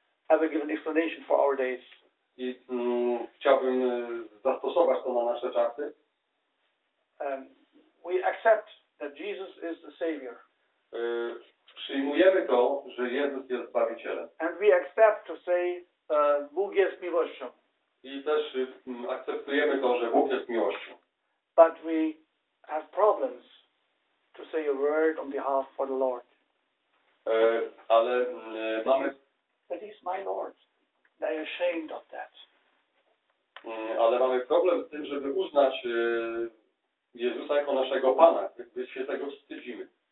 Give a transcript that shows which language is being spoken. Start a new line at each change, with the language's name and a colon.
English: Have we given explanation for our days?
Polish: I chciałbym zastosować to na nasze czasy.
English: We accept that Jesus is the Savior.
Polish: Przyjmujemy to, że Jezus jest Zbawicielem.
English: And we accept to say,
Polish: Bóg jest miłością. I też akceptujemy to, że Bóg jest miłością.
English: But we have problems to say a word on behalf for the Lord.
Polish: Ale mamy.
English: But he's my Lord. They are ashamed of that.
Polish: Ale mamy problem z tym, żeby uznać Jezusa jako naszego Pana. Jakby się tego wstydzimy.